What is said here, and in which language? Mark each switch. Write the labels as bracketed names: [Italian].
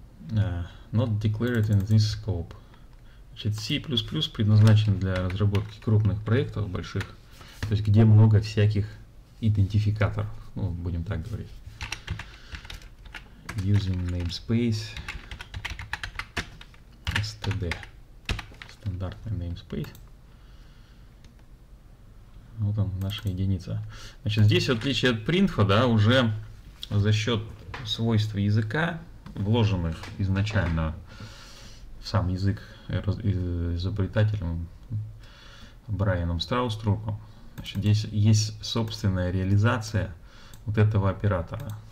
[English] Not declared in this scope. [Russian] Значит, C++ предназначен для разработки крупных проектов, больших, то есть где много всяких идентификаторов, ну, будем так говорить. [English] Using namespace std, [Russian] стандартный [English] namespace. [Russian] Вот он, наша единица. Значит, здесь, в отличие от printf'а, да, уже за счет свойств языка, вложенных изначально в сам язык изобретателем Брайаном Страуструпом, значит, здесь есть собственная реализация вот этого оператора.